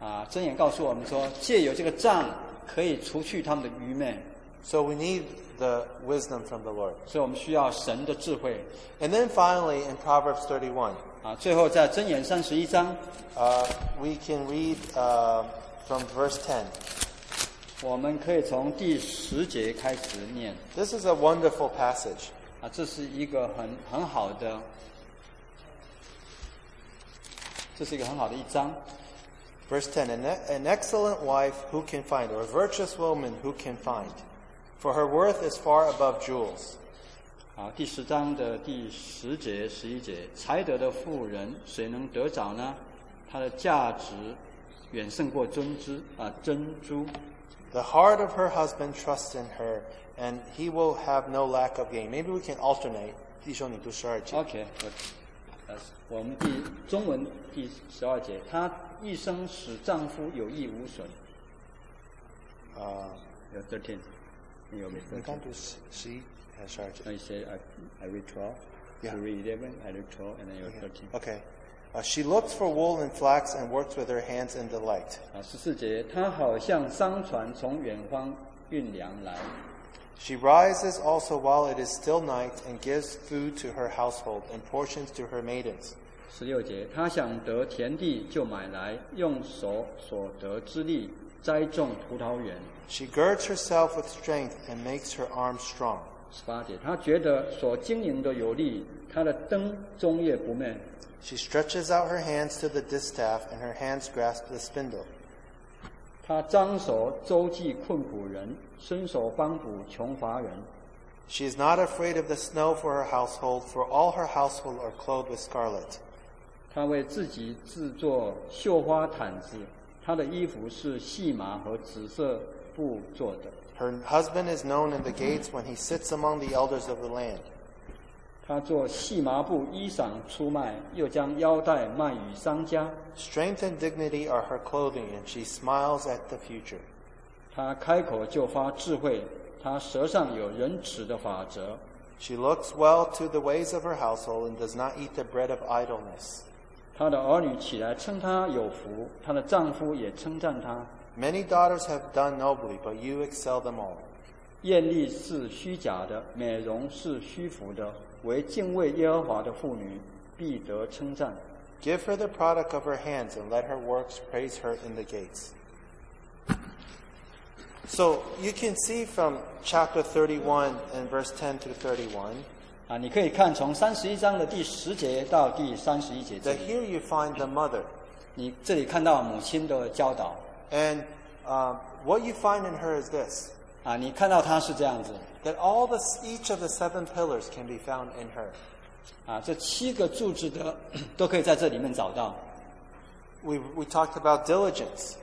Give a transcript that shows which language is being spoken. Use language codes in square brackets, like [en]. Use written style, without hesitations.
[zh] 箴言告诉我们说，借由这个杖可以除去他们的愚昧。 [en] So we need the wisdom from the Lord. [zh] 所以我们需要神的智慧。 [en] And then finally, in Proverbs 31. [zh] 最后在箴言三十一章。 [en] We can read from verse 10. [zh] 我们可以从第十节开始念。 [en] This is a wonderful passage. [zh] 这是一个很好的，这是一个很好的一章。 [en] Verse 10, an excellent wife who can find, or a virtuous woman who can find, for her worth is far above jewels. [zh] 第十章的第十节、十一节，才德的妇人谁能得着呢？她的价值远胜过珍珠。 [en] The heart of her husband trusts in her, and he will have no lack of gain. Maybe we can alternate. [zh] 弟兄，你读十二节。 [en] Okay. [zh] 我们第中文第十二节，她一生使丈夫有益无损。有 13. 你有没有？你刚读十一还是十二节 [en] ？I say I read 12. Yeah. You read 11. I read 12, and then you're 13. Okay. She looks for wool and flax and works with her hands in delight. [zh] 14节，她好像商船从远方运粮来。 [en] She rises also while it is still night and gives food to her household and portions to her maidens. [zh] 16节，他想得田地就买来，用手所得之力栽种葡萄园。 [en] She girds herself with strength and makes her arm strong. [zh] 18节，他觉得所经营的有力，他的灯终夜不灭。 [en] She stretches out her hands to the distaff and her hands grasp the spindle. [zh] 他张手周济困苦人，伸手帮补穷乏人。 [en] She is not afraid of the snow for her household, for all her household are clothed with scarlet. [zh] 她为自己制作绣花毯子，她的衣服是细麻和紫色布做的。 [en] Her husband is known in the gates when he sits among the elders of the land. [zh] 她做细麻布衣裳出卖，又将腰带卖与商家。 [en] Strength and dignity are her clothing, and she smiles at the future. [zh] 她开口就发智慧，她舌上有仁慈的法则。 [en] She looks well to the ways of her household and does not eat the bread of idleness. [zh] 她的儿女起来称她有福，她的丈夫也称赞她。 [en] Many daughters have done nobly, but you excel them all. [zh] 艳丽是虚假的，美容是虚浮的，为敬畏耶和华的妇女必得称赞。 [en] Give her the product of her hands and let her works praise her in the gates. So you can see from chapter 31 and verse 10 to 31, [zh] 你可以看从31章的第10节到第31节这里。 [en] That here you find the mother. [zh] 你这里看到母亲的教导。 [en] And what you find in her is this. [zh] 你看到她是这样子。 [en] That all the, each of the seven pillars can be found in her. [zh] 这七个柱子的都可以在这里面找到。 [en] We talked about diligence.